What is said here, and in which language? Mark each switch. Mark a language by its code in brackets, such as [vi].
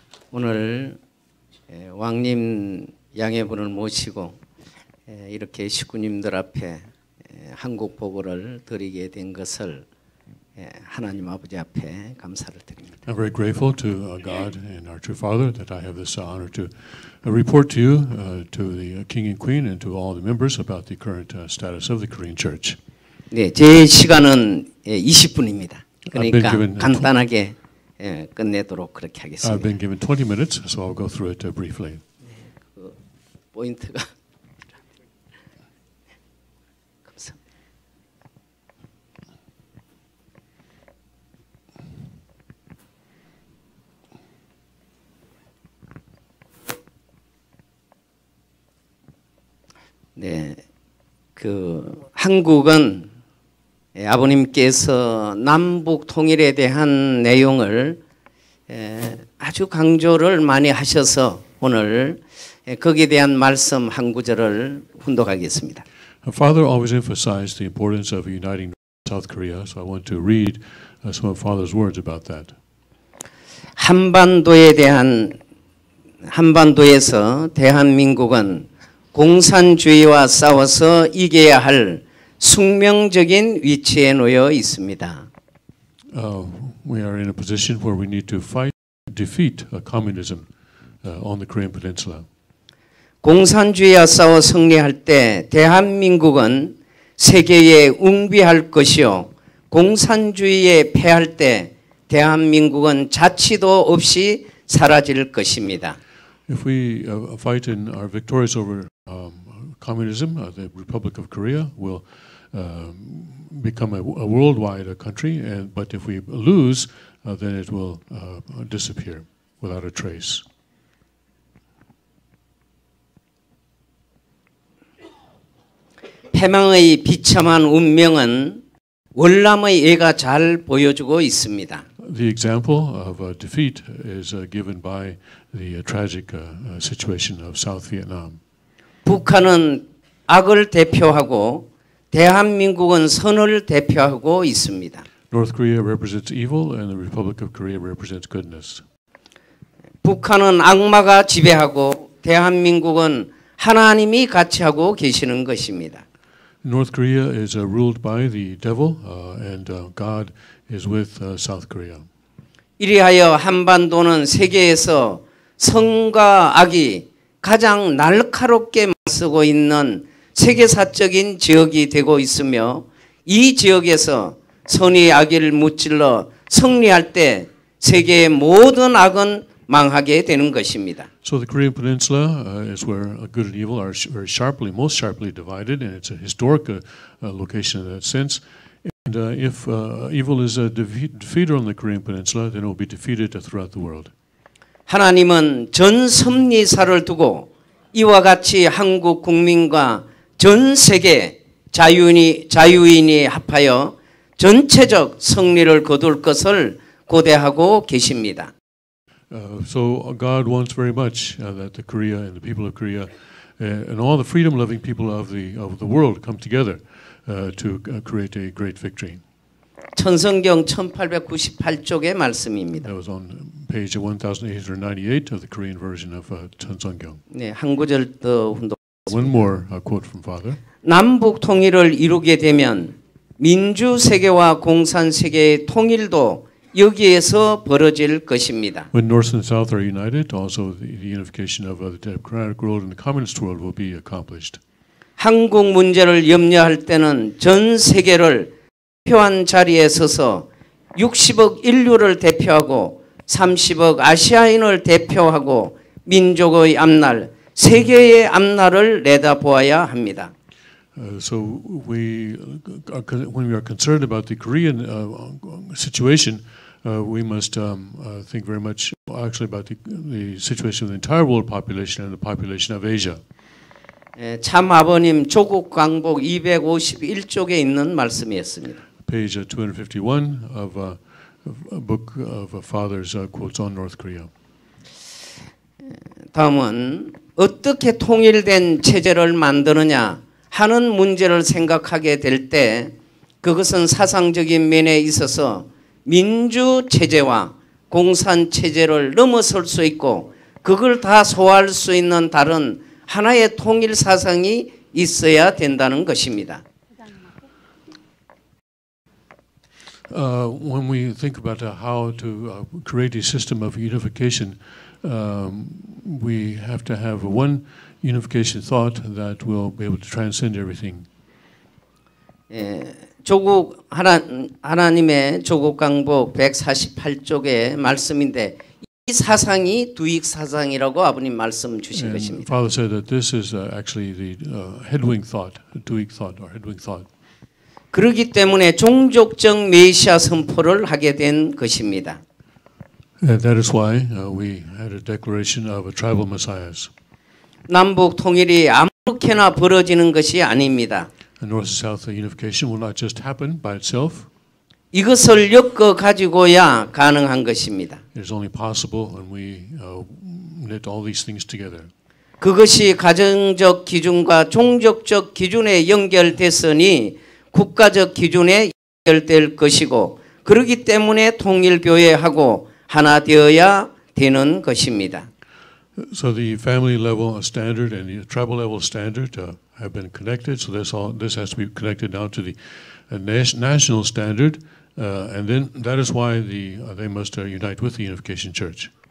[ko] 오늘 왕님 양해분을 모시고 이렇게 식구님들 앞에 한국 보고를 드리게 된 것을 하나님 아버지 앞에 감사를 드립니다. [en] I'm very grateful to God and our true Father that I have this honor to report to you, to the King and Queen and to all the members about the current status of the Korean Church. [ko] 네, 제 시간은 20분입니다. 그러니까 간단하게 끝내도록 그렇게 하겠습니다. [en] I've been given 20 minutes, so I'll go through it briefly. [ko] 포인트가 네, 그 한국은 아버님께서 남북 통일에 대한 내용을 아주 강조를 많이 하셔서 오늘 거기에 대한 말씀 한 구절을 훈독하겠습니다. [en] Father always emphasized the importance of uniting South Korea, so I want to read some of Father's words about that. [ko] 한반도에 대한 한반도에서 대한민국은 공산주의와 싸워서 이겨야 할 숙명적인 위치에 놓여 있습니다. [en] We are in a position where we need to fight defeat communism on the Korean Peninsula. [ko] 공산주의와 싸워 승리할 때 대한민국은 세계에 웅비할 것이요. 공산주의에 패할 때 대한민국은 자치도 없이 사라질 것입니다. [en] If we fight and are victorious over communism, the Republic of Korea will become a worldwide country. But if we lose, then it will disappear without a trace. [ko] 패망의 비참한 운명은 월남의 예가 잘 보여주고 있습니다. [en] The example of defeat is given by the tragic situation of South Vietnam. [ko] 북한은 악을 대표하고 대한민국은 선을 대표하고 있습니다. [en] North Korea represents evil and the Republic of Korea represents goodness. [ko] 북한은 악마가 지배하고 대한민국은 하나님이 같이하고 계시는 것입니다. [en] North Korea is ruled by the devil and God is with South Korea. [ko] 이리하여 한반도는 세계에서 선과 악이 가장 날카롭게 맞서고 있는 세계사적인 지역이 되고 있으며 이 지역에서 선이 악을 무찔러 승리할 때 세계의 모든 악은 망하게 되는 것입니다. [en] So the Korean Peninsula is where good and evil are very sharply, most sharply divided, and it's a historic location in that sense. And if evil is defeated on the Korean Peninsula, then it will be defeated throughout the world. [ko] 하나님은 전 섭리사를 두고 이와 같이 한국 국민과 전 세계 자유인이 합하여 전체적 승리를 거둘 것을 고대하고 계십니다. [en] So God wants very much that the Korea and the people of Korea and all the freedom-loving people of the world come together to create a great victory. [ko] 천성경 1898쪽의 말씀입니다. [en] That was on page 1898 of the Korean version of 천성경. [ko] 네, 한 구절 더 훈독. [en] One more quote from Father. [ko] 남북 통일을 이루게 되면 민주 세계와 공산 세계의 통일도 여기에서 벌어질 것입니다. [en] When North and South are united, also the unification of the democratic world and the communist world will be accomplished. [ko] 한국 문제를 염려할 때는 전 세계를 대표한 자리에 서서 60억 인류를 대표하고 30억 아시아인을 대표하고 민족의 앞날, 세계의 앞날을 내다보아야 합니다. [en] So we are, when we are concerned about the Korean situation, we must think very much actually about the situation of the entire world population and the population of Asia. [ko] 참 아버님 조국 광복 251쪽에 있는 말씀이었습니다. [en] Page 251 of a book of a father's quotes on North Korea. [ko] 다음은 어떻게 통일된 체제를 만드느냐 하는 문제를 생각하게 될 때 그것은 사상적인 면에 있어서 민주체제와 공산체제를 넘어설 수 있고 그걸 다 소화할 수 있는 다른 하나의 통일 사상이 있어야 된다는 것입니다. [en] When we think about how to create a system of unification, we have to have one unification thought that will be able to transcend everything. [ko] 예, 조국 하나님의 조국 강복 148쪽의 말씀인데 이 사상이 두익 사상이라고 아버님 말씀 주신 [en] And [ko] 것입니다. [en] Father said that this is actually the headwing thought, duik thought or headwing thought. [ko] 그러기 때문에 종족적 메시아 선포를 하게 된 것입니다. [en] And that is why we had a declaration of a tribal messiahs. [ko] 남북 통일이 아무렇게나 벌어지는 것이 아닙니다. [en] And North and South unification will not just happen by itself. [ko] 이것을 엮어 가지고야 가능한 것입니다. [en] It is only possible when we knit all these things together. [ko] 그것이 가정적 기준과 종족적 기준에 연결됐으니 국가적 기준에 연결될 것이고 그러기 때문에 통일교회하고 하나 되어야 되는 것입니다. [en] So the family level standard and the tribal level standard have been connected. So this has to be connected down to the national standard. And then that is why they must unite with the Unification Church.